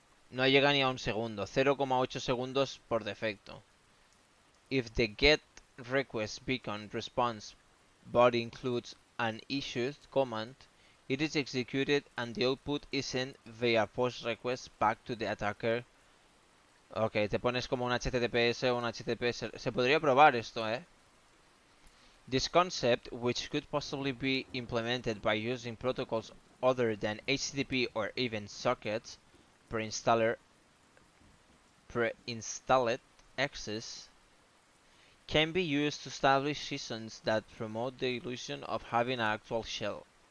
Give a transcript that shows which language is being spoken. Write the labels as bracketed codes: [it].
[es] No llega ni a un segundo, 0,8 segundos por defecto. [en] If the GET request beacon response body includes an issued command, it is executed and the output is sent via post request back to the attacker. [es] Ok, te pones como un HTTPS o un HTTPS. Se podría probar esto, ¿eh? [en] This concept, which could possibly be implemented by using protocols other than HTTP or even sockets, pre-installed access, can be used to establish systems that promote the illusion of having an actual shell.